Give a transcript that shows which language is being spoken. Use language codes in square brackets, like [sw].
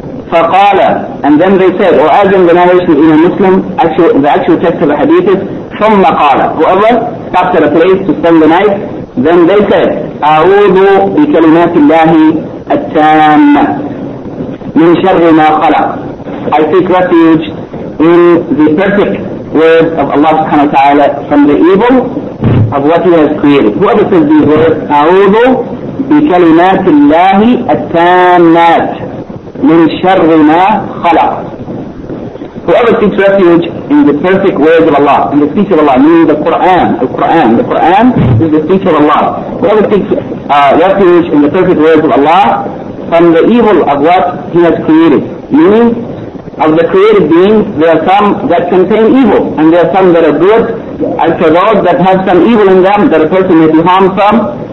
[ar] فقال, [en] and then they said, or as in the narration of Imam Muslim, the actual text of the hadith is, [ar] ثم قال, [en] whoever stops at a place to spend the night, then they said, [ar] أعوذ بكلمات الله التامة من شر ما خلق. [en] I seek refuge in the perfect words of Allah subhanahu wa ta'ala from the evil of what He has created. Whoever says these words, [ar] أعوذ بكلمات الله التامات من شر ما خلق. [en] Whoever seeks refuge in the perfect words of Allah, in the speech of Allah, meaning the Qur'an, the Qur'an is the speech of Allah. Whoever seeks refuge in the perfect words of Allah from the evil of what He has created, meaning of the created beings, there are some that contain evil, and there are some that are good, and for those that have some evil in them, that a person may be harmed from,